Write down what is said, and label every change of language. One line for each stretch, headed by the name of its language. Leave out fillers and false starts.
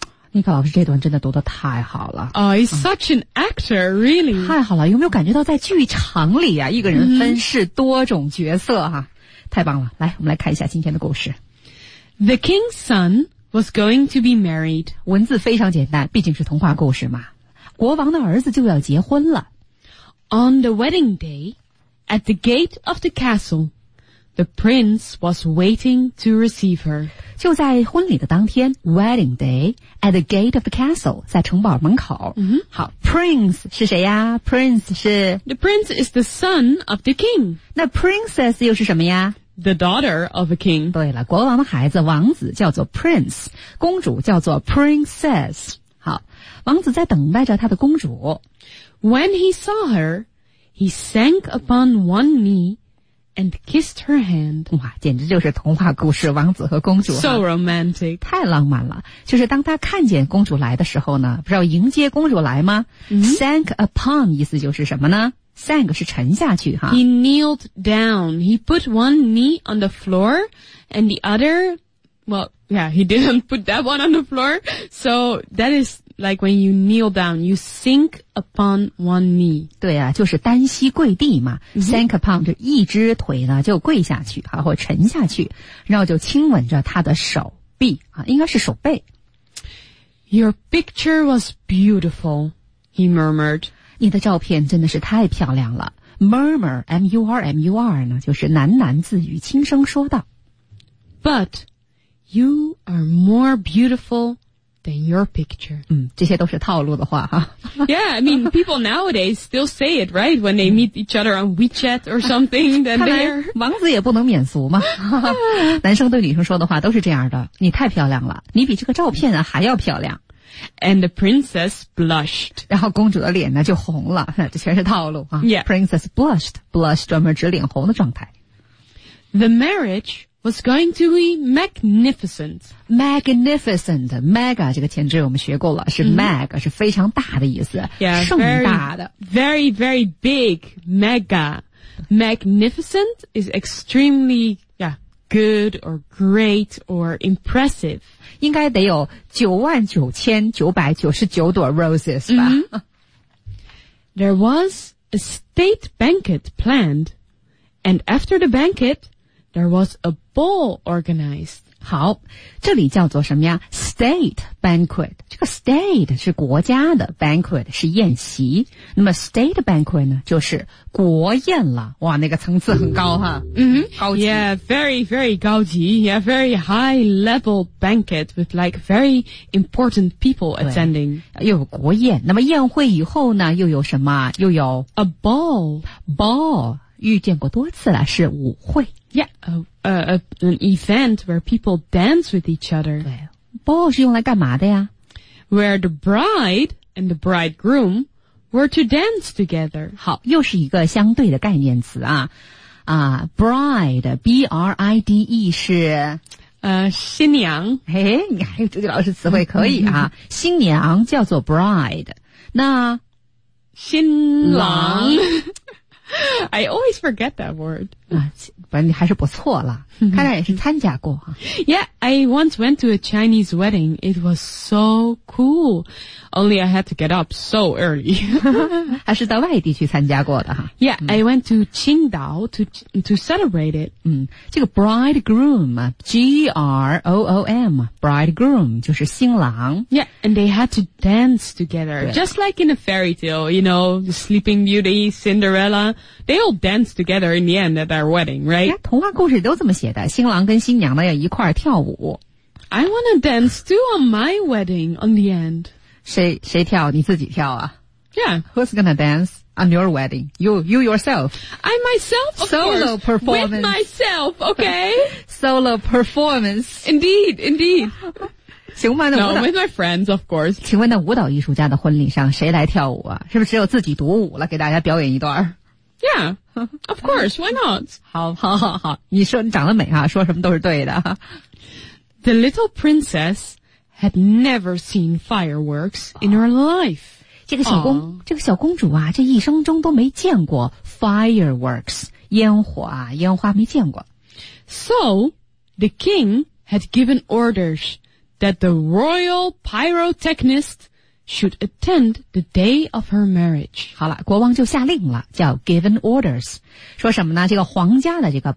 Chinese: 尼克老师这段真的读得太好了。
English: Oh, he's such an actor, really.
Chinese: 太好了，有没有感觉到在剧场里啊，一个人分饰多种角色啊、mm-hmm. 太棒了，来，我们来看一下今天的故事。
English: The king's son was going to be married.
Chinese: 文字非常简单，毕竟是童话故事嘛。国王的儿子就要结婚了。
English: On the wedding day, at the gate of the castle,The prince was waiting to receive her.
Chinese: 就在婚礼的当天
English: wedding day, at the gate of the castle,
Chinese: 在城堡门口。 Mm-hmm. 好 ,prince 是谁呀 ?prince 是
English: ?The prince is the son of the king.
Chinese: 那 princess 又是什么呀
English: ?The daughter of a king.
Chinese: 对了国王的孩子王子叫做 prince, 公主叫做 princess。好王子在等待着他的公主。
English: When he saw her, he sank upon one kneeAnd kissed her hand.
Chinese: 哇简直就是童话故事王子和公主。
English: So romantic.
Chinese: 太浪漫了。就是当他看见公主来的时候呢不是要迎接公主来吗、 mm-hmm. ?Sank upon 意思就是什么呢 ?Sank 是沉下去哈。
English: He kneeled down. He put one knee on the floor and the other, well, yeah, he didn't put that one on the floor. So that is like when you kneel down, you sink upon one knee.
Chinese: 对啊，就是单膝跪地嘛。Mm-hmm. Sink upon 就一只腿呢就跪下去啊，或沉下去，然后就亲吻着他的手臂啊，应该是手背。
English: Your picture was beautiful, he murmured.
Chinese: 你的照片真的是太漂亮了。Murmur, M-U-R-M-U-R 呢，就是喃喃自语，轻声说道。
English: But you are more beautiful than your picture.
Chinese: 嗯，这些都是套路的话哈。
English: Yeah, I mean, people nowadays still say it, right? When they meet each other on WeChat or something, then they're...
Chinese: 王子也不能免俗嘛。男生对女生说的话都是这样的。你太漂亮了，你比这个照片啊还要漂亮。
English: And the princess blushed.
Chinese: 然后公主的脸呢就红了，这全是套路啊。
English: Yeah. Princess blushed.
Chinese: Blush 专门指脸红的状态。
English: The marriage... was going to be magnificent. Magnificent.
Chinese: Mega, 这个前缀我们学过了，是 mag,、mm-hmm. 是非常大的意思。
English: Yeah,
Chinese: 盛大的。
English: Very, very big. Mega. Magnificent is extremely, yeah, good or great or impressive.
Chinese: 应该得有99,999朵 roses 吧。 Mm-hmm.
English: There was a state banquet planned, and after the banquet,There was a ball organized.
Chinese: 好，这里叫做什么呀 ？State banquet. 这个 state 是国家的 ，banquet 是宴席。那么 state banquet 呢，就是国宴了。哇，那个层次很高哈。嗯、mm-hmm. ，高级。
English: Yeah, very, very 高级。 Yeah, very high level banquet with like very important people attending.
Chinese: 又有国宴，那么宴会以后呢，又有什么？又有
English: a ball.
Chinese: Ball 遇见过多次了，是舞会。
English: An event where people dance with each other.
Chinese: Ball 是用来干嘛的呀
English: ？Where the bride and the bridegroom were to dance together.
Chinese: 好，又是一个相对的概念词啊啊 ，bride, B-R-I-D-E 是新娘。嘿，你还有这个老师词汇可以啊，新娘叫做 bride， 那新郎。
English: I always forget that word.
Chinese: 啊，反正你还是不错了。看来也是参加过啊。
English: Yeah, I once went to a Chinese wedding. It was so cool. Only I had to get up so early.
Chinese: 还是在外地去参加过的哈。
English: Yeah, I went to Qingdao to celebrate it.
Chinese: 嗯，这个 bridegroom, G-R-O-O-M, bridegroom 就是新郎。
English: Yeah, and they had to dance together. Just like in a fairy tale, you know, the Sleeping Beauty, Cinderella. They all dance together in the end at their wedding, right?
Chinese: 童话故事都这么写的，新郎跟新娘呢要一块儿跳舞。
English: I want to dance too on my wedding on the end.
Chinese: 谁跳？你自己跳啊
English: ？Yeah, who's gonna dance on your wedding? You yourself? I myself, of solo course, performance with myself. Okay, solo performance. Indeed, indeed.
Chinese: 请问的舞蹈
English: No, with my friends, of course.
Chinese: 请问那舞蹈艺术家的婚礼上谁来跳舞啊？是不是只有自己独舞了？给大家表演一段。
English: Yeah, of course, why not?
Chinese: 好好好好你说你长得美啊说什么都是对的。
English: The little princess had never seen fireworks in her life.
Chinese: 这个小公主啊这一生中都没见过 fireworks, 烟花没见过。
English: So, the king had given orders that the royal pyrotechnist,should attend the day of her marriage.
Chinese: 好了，国王就下令了，叫
English: given orders，
Chinese: 说什么呢？这个皇家的这个